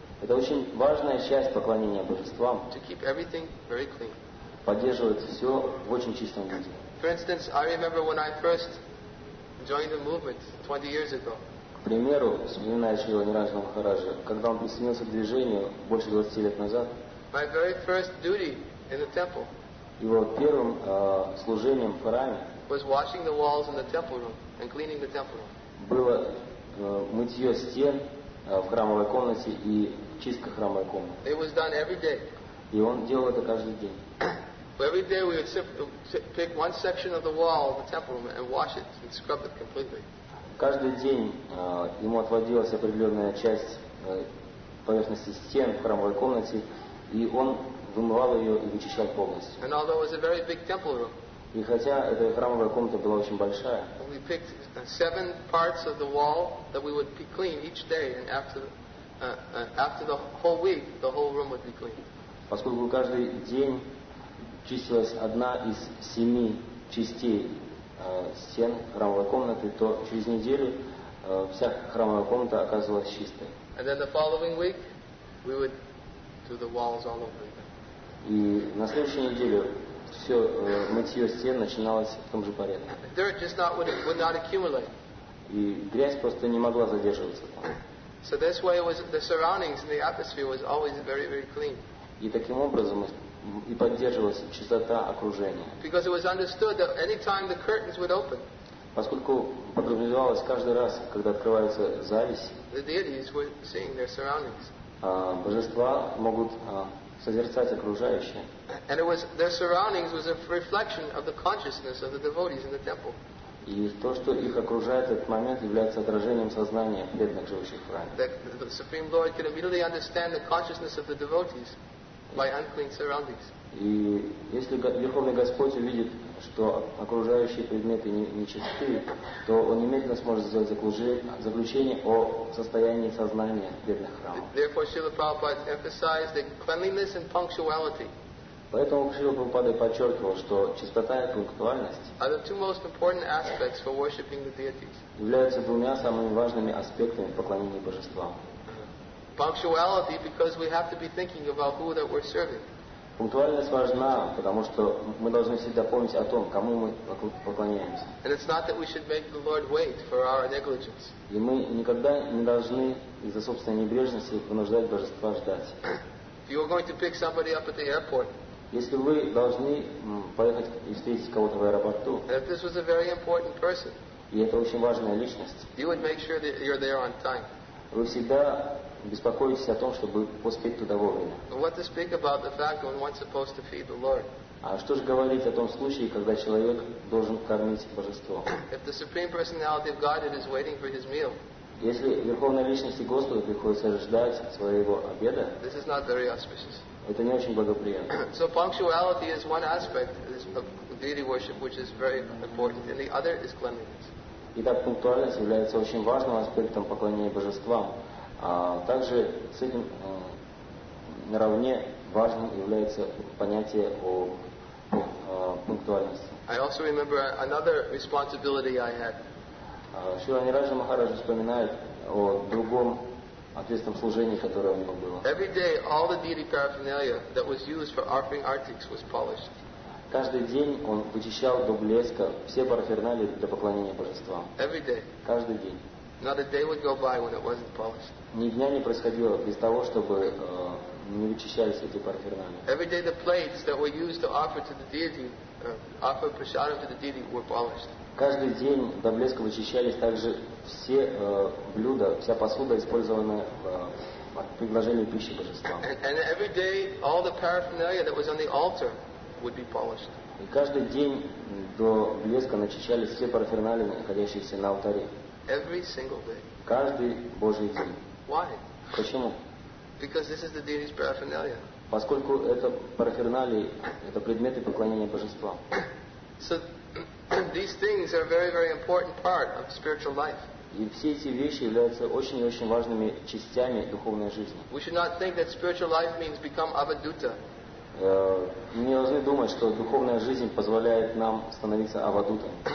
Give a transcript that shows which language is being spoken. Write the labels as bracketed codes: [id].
[ru] Это очень важная часть поклонения божествам. [en] To keep everything very clean. [ru] Поддерживать все в очень чистом виде. [en] For instance, I remember when I first joined the movement 20 years ago. [ru] К примеру, вспоминая Шрила Ниранджана Махараджа, когда он присоединился к движению больше 20 лет назад. [en] My very first duty in the temple. [ru] Его первым служением в храме. [en] Was washing the walls in the temple room and cleaning the temple room. [ru] Было мытье стен в храмовой комнате и чистка храмовой комнаты. [en] It was done every day. [ru] И он делал это каждый день. [en] Every day we would pick one section of the wall of the temple room and wash it and scrub it completely. [ru] Каждый день ему отводилась определенная часть поверхности стен в храмовой комнате, и он вымывал ее и вычищал полностью. [en] And although it was a very big temple room, [ru] и хотя эта храмовая комната была очень большая, [en] we picked seven parts of the wall that we would clean each day, and after the whole week, the whole room would be clean. [ru] Поскольку каждый день чистилась одна из семи частей стен храмовой комнаты, то через неделю вся храмовая комната оказывалась чистой. [en] And then the following week we would do the walls all over again. [ru] И на следующей неделе все мытье стен начиналось в том же порядке. [en] Dirt just not would not accumulate. [ru] И грязь просто не могла задерживаться. [en] So this way was the surroundings and the atmosphere was always very, very clean. [ru] И таким образом и поддерживалась чистота окружения. [en] Because it was understood that any time the curtains would open, [ru] поскольку подразумевалось каждый раз, когда открывается завесь, [en] the deities were seeing their surroundings. [ru] Божества могут созерцать окружающее. [en] And it was their surroundings was a reflection of the consciousness of the devotees in the temple. [ru] И то, что их окружает этот момент, является отражением сознания преданных, живущих в храме. [en] The Supreme Lord could immediately understand the consciousness of the devotees by unclean surroundings. [ru] И если Верховный Господь увидит, что окружающие предметы нечисты, то он немедленно сможет сделать заключение о состоянии сознания бедных храмов. [en] Therefore, Srila Prabhupada emphasized that cleanliness and punctuality. [ru] Поэтому Шрила Прабхупада подчеркивал, что чистота и пунктуальность [en] are the two most important aspects for worshiping the deities. [ru] Являются двумя самыми важными аспектами поклонения божествам. [en] Punctuality, because we have to be thinking about who that we're serving. [ru] Пунктуальность важна, потому что мы должны всегда помнить о том, кому мы поклоняемся. [en] And it's not that we should make the Lord wait for our negligence. [ru] И мы никогда не должны из-за собственной небрежности вынуждать Божества ждать. [en] If you are going to pick somebody up at the airport. [ru] Если вы должны поехать и встретить кого-то в аэропорту. [en] And if this was a very important person. [ru] И это очень важная личность. [en] You would make sure that you're there on time. [ru] Вы всегда беспокоитесь о том, чтобы успеть туда вовремя. [en] What to speak about the fact when one's supposed to feed the Lord? [ru] А что же говорить о том случае, когда человек должен кормить Божество? [en] If the supreme personality of Godhead is waiting for his meal. [ru] Если верховная личность Господа приходится ждать своего обеда. [en] This is not very auspicious. [ru] Это не очень благоприятно. [en] So punctuality is one aspect of deity worship, which is very important, and the other is cleanliness. [ru] Итак, пунктуальность является очень важным аспектом поклонения божествам. Также с этим наравне важным является понятие о пунктуальности. [en] I also remember another responsibility I had. [ru] Шрила Нираджа Махараджа вспоминает о другом ответственном служении, которое у него было. [en] Every day, all the deity paraphernalia that was used for offering artics was polished. [ru] Каждый день он вычищал до блеска все параферналии для поклонения божествам. [en] Every day. [ru] Каждый день. [en] Not a day would go by when it wasn't polished. [ru] Ни дня не происходило без того, чтобы не вычищались эти параферналии. [en] Every day the plates that were used to offer to the deity, offer prasadam to the deity were polished. [ru] Каждый день до блеска вычищались также все блюда, вся посуда, использованная в предложении пищи божествам. [en] And every day all the paraphernalia that was on the altar would be polished. [ru] И каждый день до блеска начищались все параферналии, находящиеся на алтаре. [en] Every single day. [ru] Каждый Божий день. [en] Why? [ru] Почему? [en] Because this is the deity's paraphernalia. [ru] Поскольку это параферналии, это предметы поклонения божества. [en] So these things are a very, very important part of spiritual life. [ru] И все эти вещи являются очень и очень важными частями духовной жизни. [en] We should not think that spiritual life means become avaduta. [ru] Мы не должны думать, что духовная жизнь позволяет нам становиться авадутами.